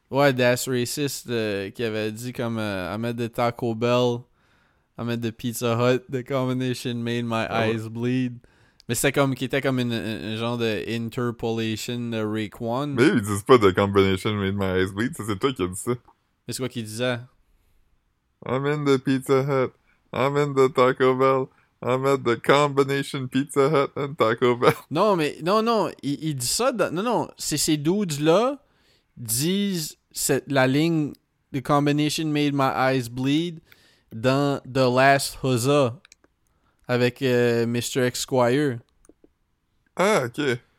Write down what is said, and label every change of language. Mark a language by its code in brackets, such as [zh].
[fr] Ouais, That's Racist, qui avait dit comme « [en] I'm at the Taco Bell, I'm at the Pizza Hut, the combination made my eyes bleed. [fr] » Mais c'était comme, qui était comme un genre de interpolation de Raekwon. Mais ils disent pas de [en] combination made my eyes bleed, [fr] c'est toi qui as dit ça. Mais c'est quoi qu'il disait? [en] I'm in the Pizza Hut, I'm in the Taco Bell, I'm at the combination Pizza Hut and Taco Bell. [fr] Non, mais non, il dit ça. Non, c'est ces dudes-là disent la ligne [en] The combination made my eyes bleed [fr] dans The Last Huzzah. Avec Mr. Esquire. Ah, ok.